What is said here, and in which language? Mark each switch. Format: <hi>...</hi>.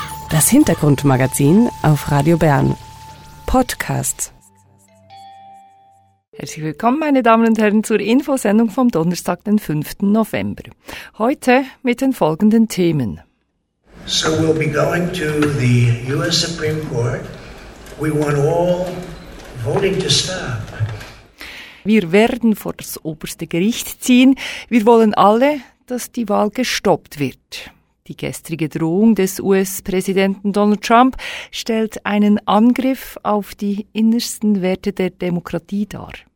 <de>Das Hintergrundmagazin auf Radio Bern. Podcasts. Herzlich willkommen, meine Damen und Herren, zur Infosendung vom Donnerstag, den 5. November. Heute mit den folgenden Themen.</de> <en>So we'll be going to the US Supreme Court. We want all voting to stop.</en> <de>Wir werden vor das oberste Gericht ziehen. Wir wollen alle, dass die Wahl gestoppt wird. Die gestrige Drohung des US-Präsidenten Donald Trump stellt einen Angriff auf die innersten Werte der Demokratie dar.</de>